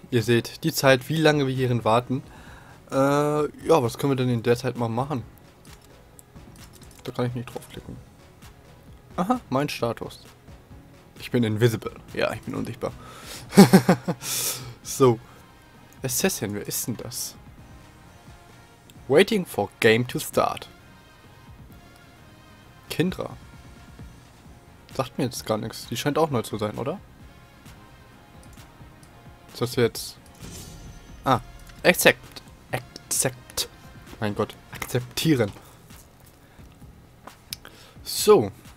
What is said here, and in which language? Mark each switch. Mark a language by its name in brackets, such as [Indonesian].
[German] Ihr seht die Zeit, wie lange wir hierhin warten. Ja, was können wir denn in der Zeit mal machen? Da kann ich nicht draufklicken. Aha, mein Status. Ich bin invisible. Ja, ich bin unsichtbar. So. Assassin, wer ist denn das? [English] Waiting for game to start. [German] Kindra. Sagt mir jetzt gar nichts. Die scheint auch neu zu sein, oder? Ist das jetzt... Ah. [English] Accept. Accept. [German] Mein Gott. Akzeptieren. So.